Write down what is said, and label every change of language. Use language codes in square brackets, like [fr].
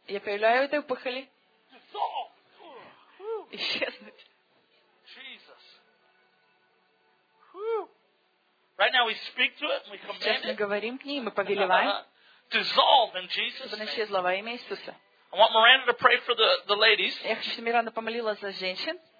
[ru] Я повелеваю этой опухоли. [en] Dissolve. [ru] Исчезнуть. [en] Jesus. Right now, we speak to it, we command [ru] Сейчас мы говорим к ней, мы повелеваем. [en] Dissolve in Jesus' name. [ru] Чтобы она исчезла во имя Иисуса. [en] I want Miranda to pray for the ladies. [ru] Я хочу, чтобы Миранда помолилась за женщин.